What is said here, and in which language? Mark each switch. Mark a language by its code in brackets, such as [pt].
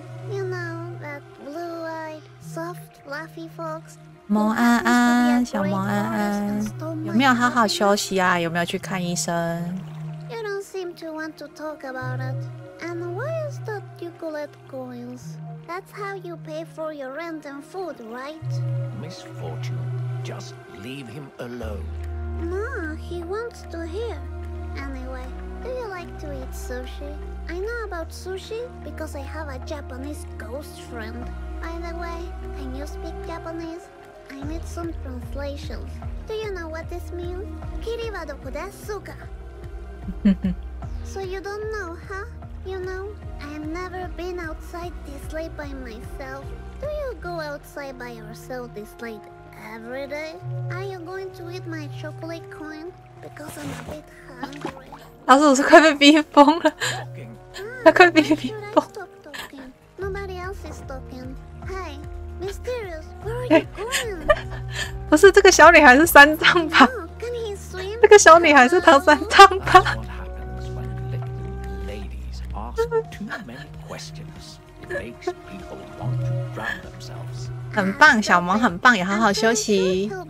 [en] You know that blue-eyed, soft, fluffy fox. [zh] 萌安安，小萌安安，有没有好好休息啊？有没有去看医生 [en] ？You don't seem to want to talk about it. And why is that you collect coins? That's how you pay for your rent and food, right? Miss Fortune, just leave him alone. No, he wants to hear. Anyway, do you like to eat sushi? I know about sushi because I have a Japanese ghost friend. By the way, can you speak Japanese? I need some translations. Do you know what this means? [ja] Kiriba do kudesu ka? [en] So you don't know, huh? You know, I've never been outside this late by myself. Do you go outside by yourself this late every day? Are you going to eat my chocolate coin? Because I'm a bit hungry. [zh] 他说我是快被逼疯了，他快被逼疯。 [en] Stop talking. Nobody else is talking. Hey. Mysterious, where are you going? [zh] 不是这个小女孩是三藏吧？ [en] No, can he swim? [zh] 这个小女孩是唐三藏吧？ [en] That's what happens when little ladies ask too many questions. It makes people want to drown themselves. [zh] 很棒，小萌很棒，也好好休息。